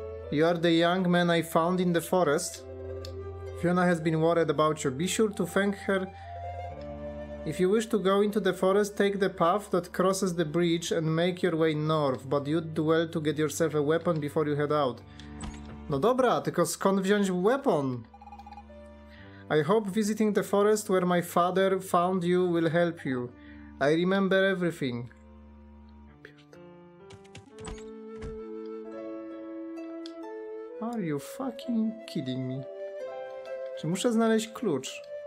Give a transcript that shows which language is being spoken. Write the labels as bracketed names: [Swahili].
[English] You are the young man I found in the forest. Fiona has been worried about you. Be sure to thank her. If you wish to go into the forest, take the path that crosses the bridge and make your way north, but you'd do well to get yourself a weapon before you head out. [Polish] No dobra, tylko skąd wziąć weapon? [English] I hope visiting the forest where my father found you will help you. I remember everything. Are you fucking kidding me? [Polish] Czy muszę znaleźć klucz?